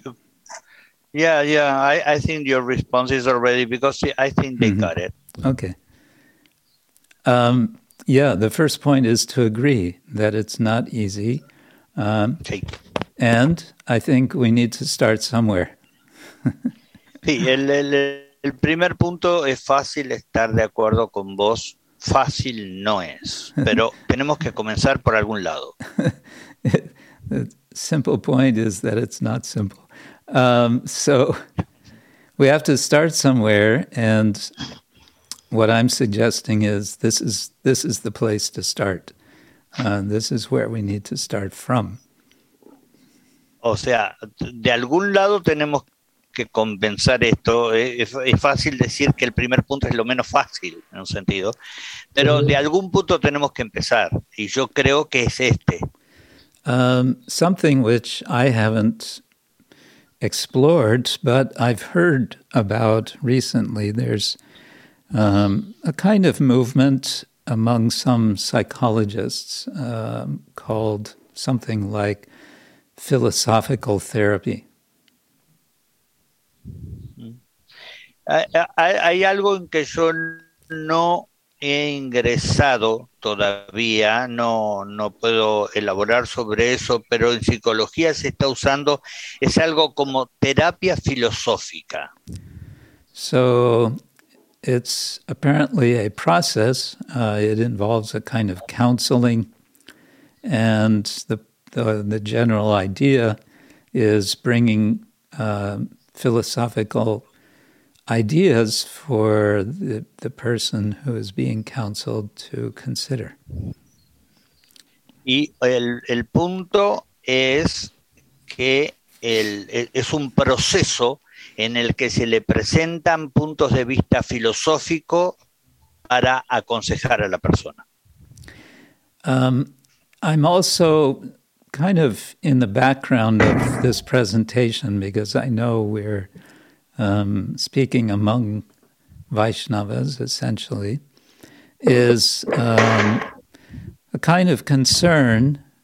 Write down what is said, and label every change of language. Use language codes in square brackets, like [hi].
[es] Creo, [en] Yeah, yeah. I think your response is already, because I think they got it. Okay. Yeah, the first point is to agree that it's not easy. And I think we need to start somewhere. [es] Sí, el primer punto es fácil estar de acuerdo con vos. Fácil no es, pero tenemos que comenzar por algún lado. [en] The simple point is that it's not simple. So we have to start somewhere, and what I'm suggesting is this is the place to start. This is where we need to start from. [es] O sea, de algún lado tenemos que comenzar esto. Es fácil decir que el primer punto es lo menos fácil, en un sentido. Pero de algún punto tenemos que empezar. Y yo creo que es este. [en] Something which I haven't explored, but I've heard about recently. There's a kind of movement among some psychologists called something like philosophical therapy. [es] Hay algo en que yo no he ingresado todavía, no puedo elaborar sobre eso, pero en psicología se está usando, es algo como terapia filosófica. [en] So it's apparently a process, it involves a kind of counseling, and the general idea is bringing philosophical ideas for the person who is being counseled to consider. [es] Y el punto es que es un proceso en el que se le presentan puntos de vista filosófico para aconsejar a la persona. [en] I'm also kind of in the background of this presentation, because I know we're speaking among Vaishnavas, essentially, is a kind of concern.